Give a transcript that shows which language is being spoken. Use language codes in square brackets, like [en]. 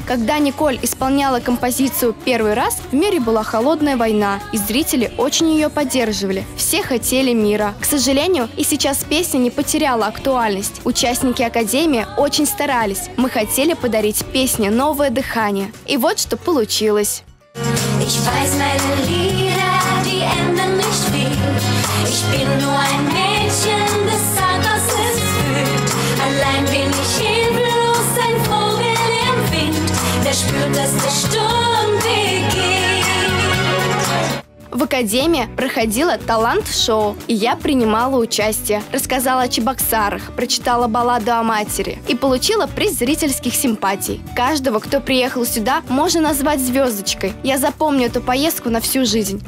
[ru] Когда Николь исполняла композицию первый раз, в мире была холодная война, и зрители очень ее поддерживали. Все хотели мира. К сожалению, и сейчас песня не потеряла актуальность. Участники Академии очень старались. Мы хотели подарить песне новое дыхание. И вот что получилось. [de] Ich weiß meine Lieder, die enden nicht viel. Ich bin nur ein Mädchen, das sagt, was es fühlt. Allein bin ich hilflos, ein Vogel im Wind, der spürt, dass der Sturm beginnt. [ru] В Академии проходило талант-шоу, и я принимала участие. Рассказала о Чебоксарах, прочитала балладу о матери и получила приз зрительских симпатий. Каждого, кто приехал сюда, можно назвать звездочкой. Я запомню эту поездку на всю жизнь.